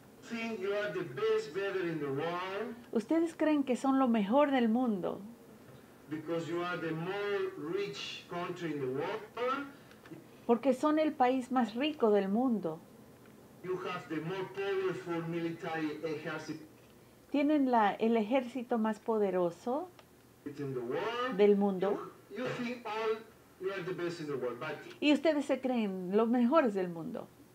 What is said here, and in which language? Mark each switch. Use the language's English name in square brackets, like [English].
[English] Think you are the best brother in the world. [Spanish] Ustedes creen que son lo mejor del mundo. [English] Because you are the more rich country in the world. [Spanish] Porque son el país más rico del mundo. [English] You have the more powerful military [Spanish] ejército. Tienen la el ejército más poderoso [English] in the world. [Spanish] Del mundo. [English] You think all you are the best in the world, but [Spanish] y ustedes se creen los mejores del mundo.